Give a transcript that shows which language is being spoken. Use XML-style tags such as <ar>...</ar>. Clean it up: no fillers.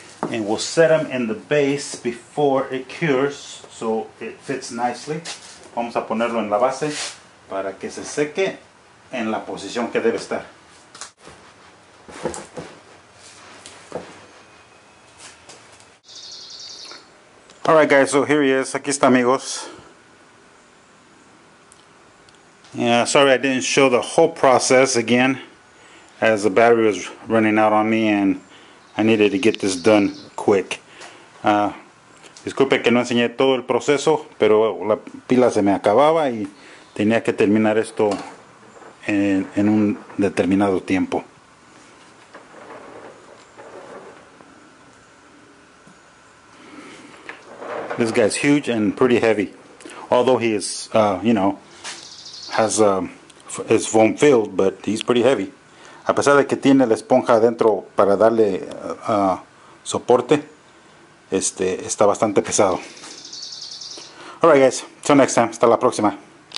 <en>And we'll set them in the base before it cures so it fits nicely.</en> <es>Vamos a ponerlo en la base para que se seque en la posición que debe estar.</es> <en>Alright guys, so here he is.</en> <es>Aquí está, amigos.</es> <en>Yeah, sorry I didn't show the whole process again, as the battery was running out on me and I needed to get this done quick.</en> <es>Disculpe que no enseñé todo el proceso, pero la pila se me acababa y tenía que terminar esto en un determinado tiempo.</es> <en>This guy's huge and pretty heavy, although he is, you know, is foam filled, but he's pretty heavy.</en> <es>A pesar de que tiene la esponja adentro para darle soporte, está bastante pesado.</es> <en>Alright guys, till next time,</en> <es>hasta la próxima.</es>